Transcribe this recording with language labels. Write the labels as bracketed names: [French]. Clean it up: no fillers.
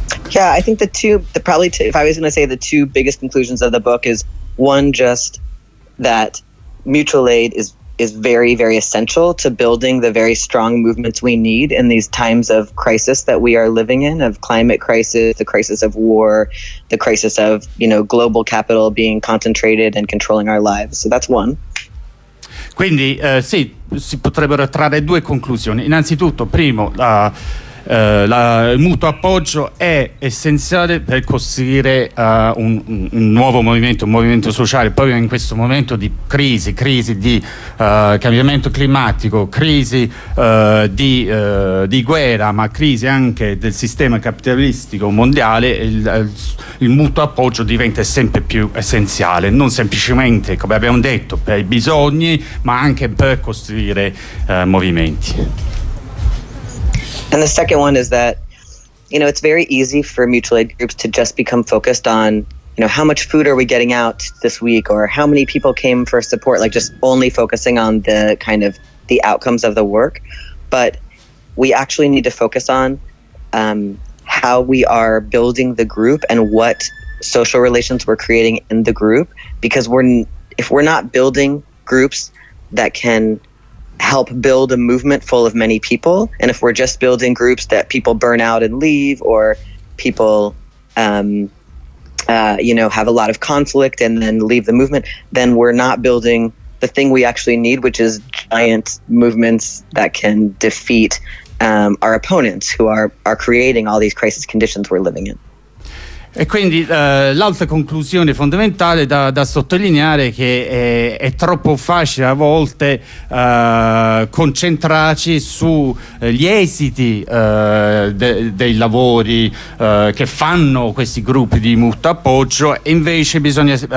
[English] Yeah, I think if I was going to say the two biggest conclusions of the book is, one, just that mutual aid is very, very essential to building the very strong movements we need in these times of crisis that we are living in, of climate crisis, the crisis of war, the crisis of, you know, global capital being concentrated and controlling our lives. So that's one. [Italian] Quindi sì, si potrebbero trarre due conclusioni. Innanzitutto, primo, il mutuo appoggio è essenziale per costruire un nuovo movimento, un movimento sociale, proprio in questo momento di crisi di cambiamento climatico, crisi di guerra, ma crisi anche del sistema capitalistico mondiale. Il mutuo appoggio diventa sempre più essenziale, non semplicemente, come abbiamo detto, per i bisogni, ma anche per costruire movimenti. [English] And the second one is that, you know, it's very easy for mutual aid groups to just become focused on, you know, how much food are we getting out this week, or how many people came for support, like just only focusing on the kind of the outcomes of the work. But we actually need to focus on how we are building the group and what social relations we're creating in the group, because if we're not building groups that can help build a movement full of many people, and if we're just building groups that people burn out and leave, or people have a lot of conflict and then leave the movement, then we're not building the thing we actually need, which is giant movements that can defeat our opponents, who are creating all these crisis conditions we're living in. [Italian] E quindi l'altra conclusione fondamentale da sottolineare è che è troppo facile a volte concentrarci sugli esiti dei lavori che fanno questi gruppi di mutuo appoggio, e invece bisogna